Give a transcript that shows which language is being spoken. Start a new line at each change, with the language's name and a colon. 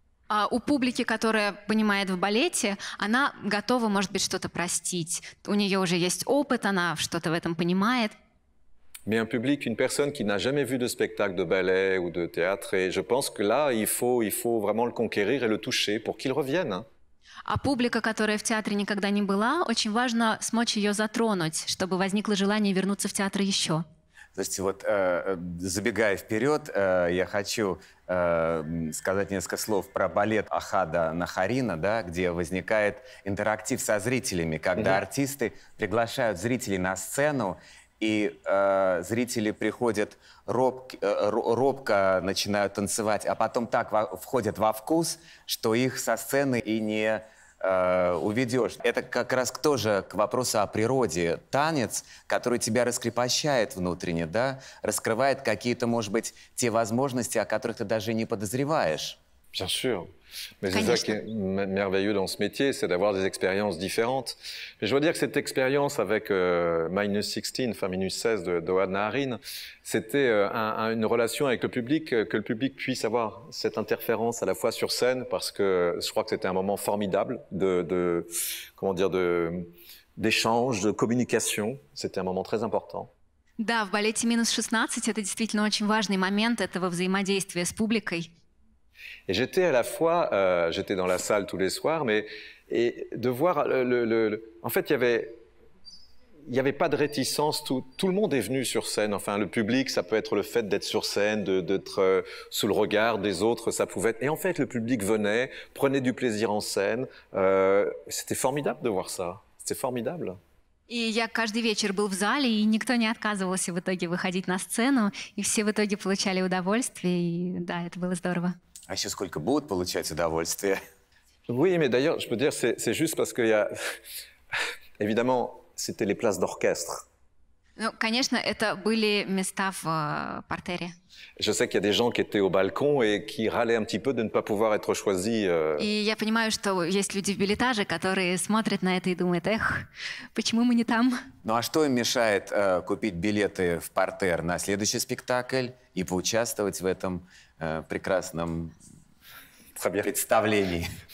Russian: А у публики, которая понимает в балете, она готова, может быть, что-то простить. У нее уже есть опыт, она что-то в этом понимает.
French: Mais un public, une personne qui n'a jamais vu de spectacle de ballet ou de théâtre, et je pense que là, il faut vraiment le conquérir et le toucher pour qu'il revienne.
Russian: А публика, которая в театре никогда не была, очень важно смочь ее затронуть, чтобы возникло желание вернуться в театр еще. То есть вот, забегая вперед, я хочу сказать несколько слов про балет Ахада Нахарина, да, где возникает интерактив со зрителями, когда артисты приглашают зрителей на сцену, И зрители приходят, робко начинают танцевать, а потом так входят во вкус, что их со сцены и не уведешь. Это как раз тоже к вопросу о природе. Танец, который тебя раскрепощает внутренне, да? Раскрывает какие-то, может быть, те возможности, о которых ты даже не подозреваешь.
French: Bien sûr. Mais c'est ça qui est merveilleux dans ce métier, c'est d'avoir des expériences différentes. Mais je veux dire que cette expérience avec Minus 16, enfin Minus 16 d'Oad Naharin, c'était une relation avec le public, que le public puisse avoir cette interférence à la fois sur scène, parce que je crois que c'était un moment formidable d'échange, de communication. C'était un moment très important.
Russian: Да, в балете Минус 16, это действительно очень важный момент этого взаимодействия с публикой.
French: Et j'étais à la fois, j'étais dans la salle tous les soirs, mais et de voir en fait, il y avait pas de réticence. Tout le monde est venu sur scène. Enfin, le public, ça peut être le fait d'être sur scène, d'être sous le regard des autres, ça pouvait être. Et en fait, le public venait, prenait du plaisir en scène. C'était formidable de voir ça. C'était formidable.
Russian: И я каждый вечер был в зале, и никто не отказывался в итоге выходить на сцену, и все в итоге получали удовольствие. И да, это было здорово. А еще сколько будут получать удовольствие?
French: Oui, mais d'ailleurs, je peux dire, c'est juste parce que il y a, évidemment, c'était les places d'orchestre.
Russian: Ну, конечно, это были места в партере.
French: Je sais qu'il y a des gens qui étaient au balcon et qui râlaient un petit peu de ne pas pouvoir être choisis.
Russian: И я понимаю, что есть люди в билетаже, которые смотрят на это и думают, эх, почему мы не там? Ну а что им мешает купить билеты в партер на следующий спектакль и поучаствовать в этом прекрасном представлении?